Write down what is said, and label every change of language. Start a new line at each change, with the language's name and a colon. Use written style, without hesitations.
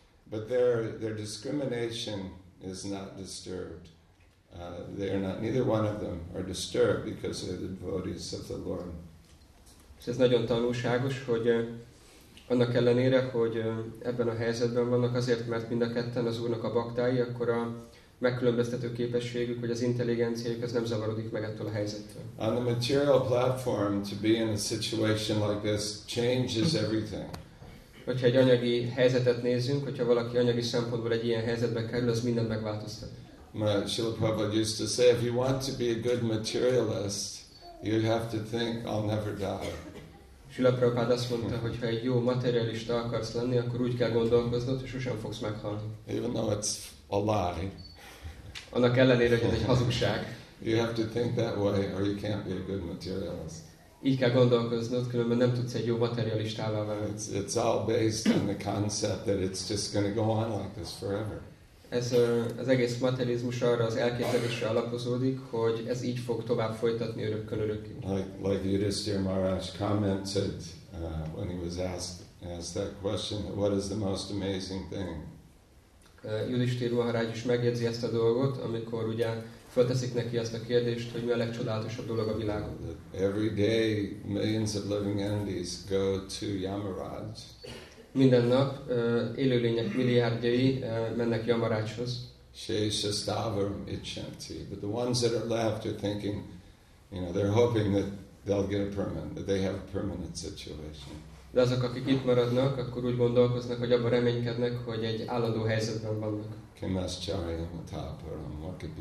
English: But their discrimination is not disturbed. They are not, neither one of them are disturbed because they're the devotees of the Lord.
Hungarian: Ez nagyon tanulságos, hogy annak ellenére, hogy ebben a helyzetben vannak azért, mert mind a ketten az Úrnak a baktái, akkor a megkülönböztető képességük, vagy az intelligenciájuk, ez nem zavarodik meg ettől a helyzettől.
English: On the material platform, to be in a situation like this changes everything.
Hungarian: Hogyha egy anyagi helyzetet nézünk, hogyha valaki anyagi szempontból egy ilyen helyzetbe kerül, az mindent megváltoztat.
English: Srila Prabhupada used to say, if you want to be a good materialist, you have to think, I'll never die.
Hungarian: Srila Prabhupada azt mondta, hogy ha egy jó materialista akarsz lenni, akkor úgy kell gondolkoznod, hogy sosem fogsz meghalni.
English: Even though it's a lie.
Hungarian: Annak ellenére, hogy ez egy hazugság.
English: You have to think that way, or you can't be a good materialist.
Hungarian: Így kell gondolkoznod, különben nem tudsz egy jó materialistává válni.
English: It's all based on the concept that it's just going to go on like this forever.
Hungarian: Ez az egész materializmus arra az elképzelésre alapozódik, hogy ez így fog tovább folytatni örökkön örökké.
English: Like Yudhisthira Maharaj commented when he was asked that question, what is the most amazing thing?
Hungarian: Yudhisthira Maharaj is megjegyzi ezt a dolgot, amikor ugye Fölteszik neki azt a kérdést, hogy mi a legcsodálatosabb dolog a világon.
English: Every day millions of living entities go to Yamaraj.
Hungarian: Minden nap élőlények milliárdjai mennek Yamarajhoz.
Sanskrit: Shesha stavar ichanti.
English: But the ones that are left are thinking, you know, they're hoping that they'll get a permanent, that they have a permanent situation.
Hungarian: De azok, akik itt maradnak, akkor úgy gondolkoznak, hogy abban reménykednek, hogy egy állandó helyzetben vannak.